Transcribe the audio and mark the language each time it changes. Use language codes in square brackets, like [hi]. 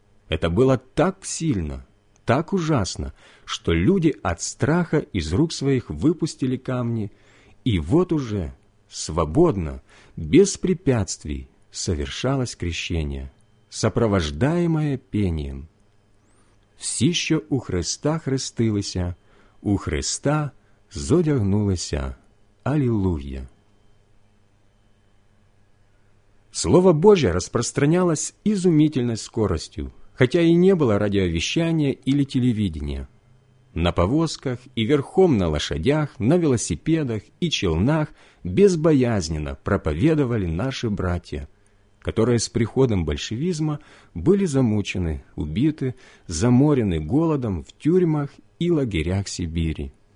[ru] Это было так сильно, так ужасно, что люди от страха из рук своих выпустили камни, и вот уже свободно, без препятствий, совершалось крещение, сопровождаемое пением. [uk] «Всіще у Христа хрестилися, у Христа зодягнулися. Аллилуйя!» [ru] Слово Божье распространялось с изумительной скоростью, хотя и не было радиовещания или телевидения. На повозках и верхом на лошадях, на велосипедах и челнах безбоязненно проповедовали наши братья, которые с приходом большевизма были замучены, убиты, заморены голодом в тюрьмах и лагерях Сибири.